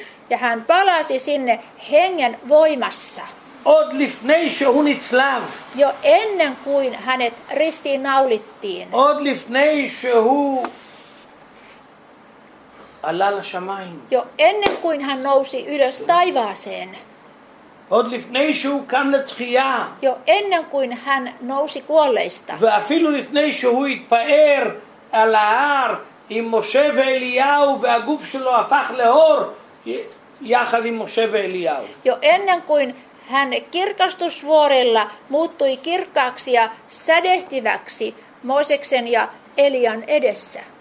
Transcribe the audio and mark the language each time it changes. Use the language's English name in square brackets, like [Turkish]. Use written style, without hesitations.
[Finnish] Ja hän palasi sinne hengen voimassa. [Hebrew] עוד לפני שהוא נצלב. [Finnish] Jo ennen kuin hänet ristiin naulittiin. [Hebrew] עוד לפני שהוא עלה לשמיים. [Finnish] Jo ennen kuin hän nousi ylös taivaaseen. [Hebrew] עוד לפני שהוא קם לתחייה. [Finnish] Jo ennen kuin hän nousi kuolleista. [Hebrew] ואפילו לפני שהוא התפאר על ההר עם משה ואליהו והגוף שלו הפך לאור יחד עם משה ואליהו. [Finnish] Jo ennen kuin hän kirkastusvuorella muuttui kirkkaaksi ja sädehtiväksi Mooseksen ja Elian edessä.